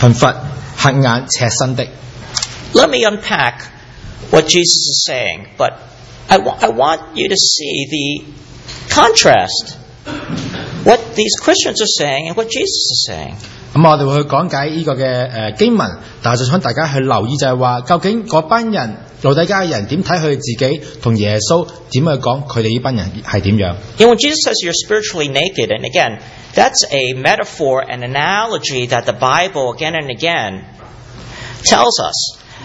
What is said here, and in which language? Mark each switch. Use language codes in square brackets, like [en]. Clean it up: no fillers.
[zh] 这个在启示录第三章17节就讲了一个对比，这个对比就是说当时老底家的人他怎么看他自己和神怎么，耶稣基督怎么讲他们这帮的人，就说他们觉得自己是一个富足，发了财，一样都不缺的人，但耶稣说给他们，你们是困苦、可怜、贫困、乏眼、赤身的。 [en] Let me unpack what Jesus is saying, but I want you to see the contrast. What these Christians are saying and what Jesus is saying. [zh] 我们会讲解这个经文，但是想大家去留意就是说，究竟那班人，老底家的人怎么看他们自己，和耶稣怎么去讲他们这班人是怎样。 [en] You know, Jesus says you're spiritually naked, and again, that's a metaphor, an analogy that the Bible again and again tells us.